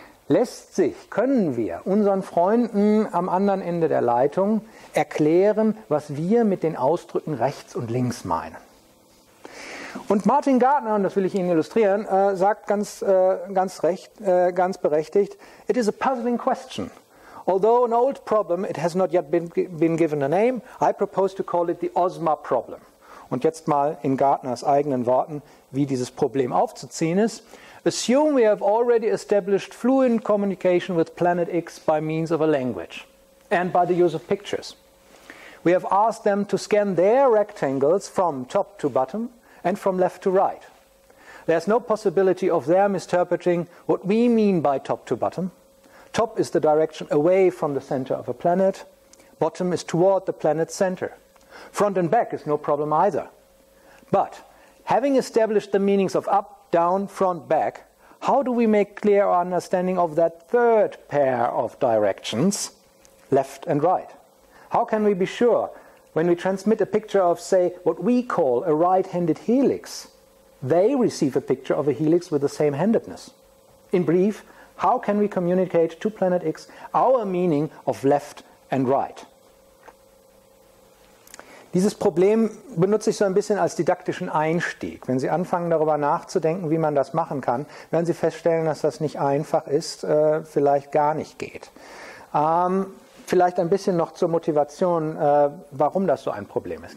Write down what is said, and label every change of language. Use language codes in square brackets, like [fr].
[de] Lässt sich, können wir unseren Freunden am anderen Ende der Leitung erklären, was wir mit den Ausdrücken rechts und links meinen? Und Martin Gardner, und das will ich Ihnen illustrieren, sagt ganz berechtigt, it is a puzzling question. [en] Although an old problem, it has not yet been given a name, I propose to call it the Osma problem. Und jetzt mal in Gardners eigenen Worten, wie dieses Problem aufzuziehen ist. Assume we have already established fluent communication with planet X by means of a language and by the use of pictures. We have asked them to scan their rectangles from top to bottom, and from left to right. There's no possibility of their misinterpreting what we mean by top to bottom. Top is the direction away from the center of a planet. Bottom is toward the planet's center. Front and back is no problem either. But having established the meanings of up, down, front, back, how do we make clear our understanding of that third pair of directions, left and right? How can we be sure when we transmit a picture of, say, what we call a right-handed helix, they receive a picture of a helix with the same handedness? In brief, how can we communicate to Planet X our meaning of left and right? [de] Dieses Problem benutze ich so ein bisschen als didaktischen Einstieg. Wenn Sie anfangen, darüber nachzudenken, wie man das machen kann, werden Sie feststellen, dass das nicht einfach ist, vielleicht gar nicht geht. Vielleicht ein bisschen noch zur Motivation, warum das so ein Problem ist.